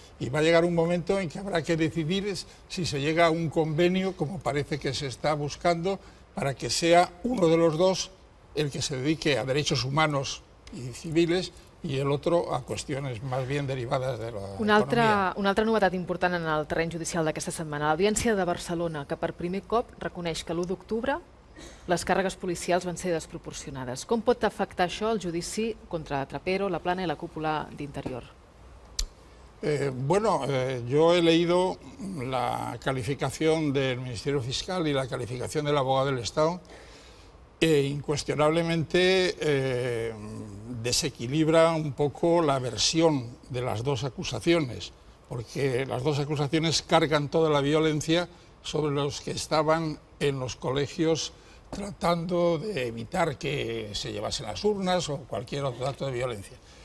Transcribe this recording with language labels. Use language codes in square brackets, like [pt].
[es] Y va a llegar un momento en que habrá que decidir si se llega a un convenio, como parece que se está buscando, para que sea uno de los dos el que se dedique a derechos humanos y civiles y el otro a cuestiones más bien derivadas de la economía. [ca] Una altra novetat important en el terreny judicial d'aquesta setmana, l'Audiència de Barcelona, que per primer cop reconeix que l'1 d'octubre les càrregues policials van ser desproporcionades. Com pot afectar això el judici contra Trapero, La Plana i la cúpula d'Interior? [es] Yo he leído la calificación del Ministerio Fiscal y la calificación del abogado del Estado e incuestionablemente desequilibra un poco la versión de las dos acusaciones, porque las dos acusaciones cargan toda la violencia sobre los que estaban en los colegios tratando de evitar que se llevasen las urnas o cualquier otro acto de violencia.